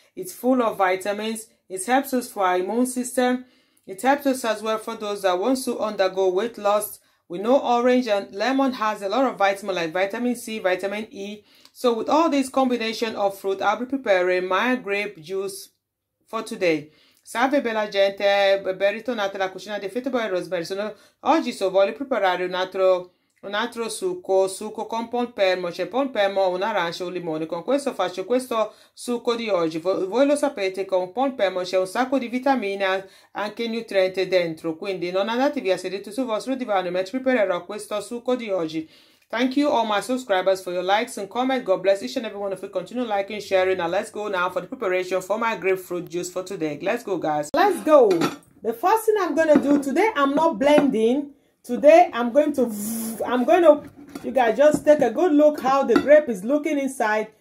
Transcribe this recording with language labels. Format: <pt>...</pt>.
<en>It's full of vitamins. It helps us for our immune system. It helps us as well for those that want to undergo weight loss. We know orange and lemon has a lot of vitamins like vitamin C, vitamin E. So with all this combination of fruit, I'll be preparing my grape juice for today.</en> <it>Salve bella gente, benvenuto nella cucina di Fitable Rosemary. Sono oggi so voglio preparare un altro succo, succo con pompelmo, c'è pompelmo, un arancio, un limone. Con questo faccio questo succo di oggi. Voi lo sapete, con pompelmo c'è un sacco di vitamine, anche nutriente dentro. Quindi non andate via, sedete sul vostro divano, mentre preparerò questo succo di oggi.</it> <en>Thank you all my subscribers for your likes and comments. God bless each and every one of you. Continue liking, sharing. Now let's go now for the preparation for my grapefruit juice for today. Let's go, guys. Let's go. The first thing I'm going to do today, I'm not blending. Today, I'm going to, you guys, just take a good look how the grape is looking inside.</en>